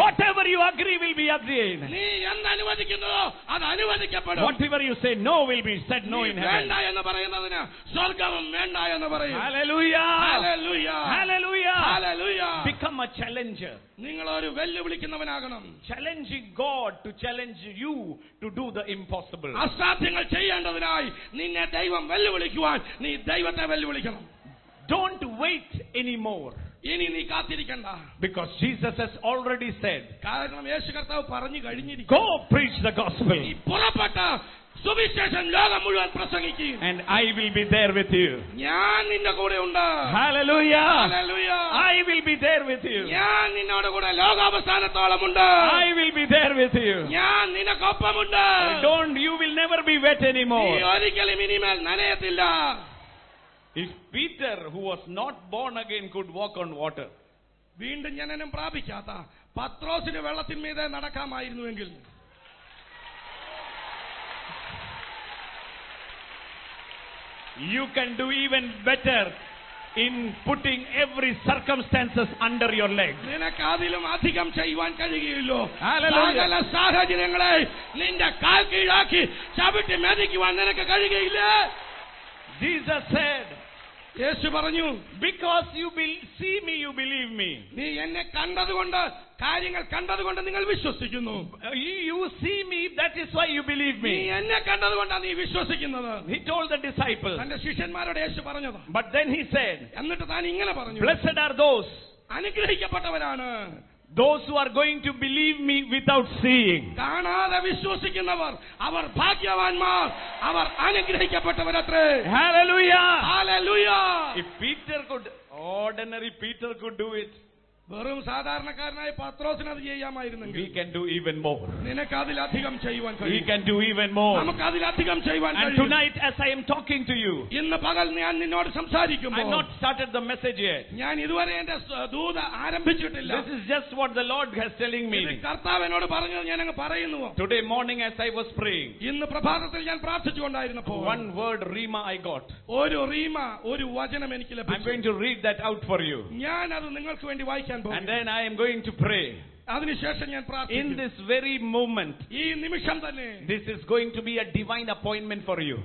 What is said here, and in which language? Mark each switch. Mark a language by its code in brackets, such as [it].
[en] Whatever you agree will be agreed. [ml] നീ എന്ത് അനുവദിക്കുന്നോ അത് അനുവദിക്കപ്പെടും. [en] Whatever you say no will be said no in heaven. [ml] വേണ്ട എന്ന് പറയുന്നതിന് സ്വർഗ്ഗവും വേണ്ട എന്ന് പറയും. [en] Hallelujah. Hallelujah. Hallelujah. Hallelujah. Become a challenger. [ml] നിങ്ങൾ ഒരു വെല്ലുവിളിക്കുന്നവനാകണം. [en] Challenging God to challenge you to do the impossible. [ml] അസാധ്യങ്ങൾ ചെയ്യേണ്ടതിനായി നിന്നെ ദൈവം വെല്ലുവിളിക്കുവാൻ നീ ദൈവത്തെ വെല്ലുവിളിക്കണം. [en] Don't wait anymore. [ml] ഇനി നീ കാത്തിരിക്കണ്ട. [en] Because Jesus has already said. [ml] കാരണം യേശു കർത്താവ് പറഞ്ഞു കഴിഞ്ഞിരിക്കും. [en] Go preach the gospel. [ml] നീ പുറപ്പെട്ട് സുവിശേഷം ലോകം മുഴുവൻ പ്രസംഗിക്കും. [en] And I will be there with you. [ml] ഞാൻ നിന്റെ കൂടെ ഉണ്ട്. [en] Hallelujah. Hallelujah. I will be there with you. [ml] ഞാൻ നിന്നോട് കൂടെ ലോകാവസാനത്തോളം ഉണ്ട്. [en] I will be there with you. [ml] ഞാൻ നിനക്കൊപ്പം ഉണ്ട്. [en] Don't you will never be wet anymore. [ml] നീ ഒരിക്കലും ഇനിമേൽ നനയത്തില്ല. [en] If Peter, who was not born again, could walk on water, [ml] വീണ്ടും ജനനം പ്രാപിക്കാത്ത പത്രോസിന് വെള്ളത്തിന്മീതെ നടക്കാമായിരുന്നുവെങ്കിൽ, [en] you can do even better in putting every circumstances under your leg. [ml] നിനക്കാതിലും അധികം ചെയ്യുവാൻ കഴിയില്ലോ. [en] Hallelujah. [ml] സകല സാഹചര്യങ്ങളെ നിന്റെ കാൽ കീഴാക്കി ചവിട്ടി മെതിക്കുവാൻ നിനക്ക് കഴിയില്ല. [en] Jesus said, [ml] യേശു പറഞ്ഞു, [en] because you will see me you believe me. [ml] നീ എന്നെ കണ്ടതുകൊണ്ട് കാര്യങ്ങൾ കണ്ടതുകൊണ്ട് നിങ്ങൾ വിശ്വസിക്കുന്നു. [en] You see me, that is why you believe me. [ml] നീ എന്നെ കണ്ടതുകൊണ്ട് നീ വിശ്വസിക്കുന്നത്. [en] He told the disciples. [ml] തന്റെ ശിഷ്യന്മാരോട് യേശു പറഞ്ഞു. [en] But then he said, [ml] എന്നിട്ട് താൻ ഇങ്ങനെ പറഞ്ഞു, [en] blessed are those [ml] അനുഗ്രഹിക്കപ്പെട്ടവനാണ്. [en] Those who are going to believe me without seeing. [ml] കാണാതെ വിശ്വസിക്കുന്നവർ അവർ ഭാഗ്യവാന്മാർ, അവർ അനുഗ്രഹിക്കപ്പെട്ടവരത്രേ. [en] Hallelujah. Hallelujah. If Peter could, ordinary Peter could do it. [ml] വെറും സാധാരണക്കാരനായ പത്രോസിന് അത് ചെയ്യാമായിരുന്നെങ്കിൽ, [en] we can do even more. [ml] നിനക്ക് അതിലധികം ചെയ്യുവാൻ കഴിയും. [en] We can do even more. [ml] നമുക്ക് അതിലധികം ചെയ്യുവാൻ കഴിയും. [en] And tonight as I am talking to you, [ml] ഇന്ന് പകൽ ഞാൻ നിന്നോട് സംസാരിക്കുമ്പോൾ, [en] I not started the message yet. [ml] ഞാൻ ഇതുവരെ എന്റെ ദൂത ആരംഭിച്ചിട്ടില്ല. [en] This is just what the Lord has telling me. [ml] കർത്താവ് എന്നോട് പറഞ്ഞത് ഞാൻ അങ്ങ് പറയുന്നു. [en] Today morning as I was praying, [ml] ഇന്ന് പ്രഭാതത്തിൽ ഞാൻ പ്രാർത്ഥിച്ചുകൊണ്ടിരുന്നപ്പോൾ, [en] one word rhema I got. [ml] ഒരു റീമ, ഒരു വചനം എനിക്ക് ലഭിച്ചു. [en] I'm going to read that out for you. [ml] ഞാൻ അത് നിങ്ങൾക്ക് വേണ്ടി വായിക്കാൻ പോകും. [en] And then I am going to pray. [ml] അതിനുശേഷം ഞാൻ പ്രാർത്ഥിക്കും. [en] In this very moment, [ml] ഈ നിമിഷം തന്നെ, [en] this is going to be a divine appointment for you.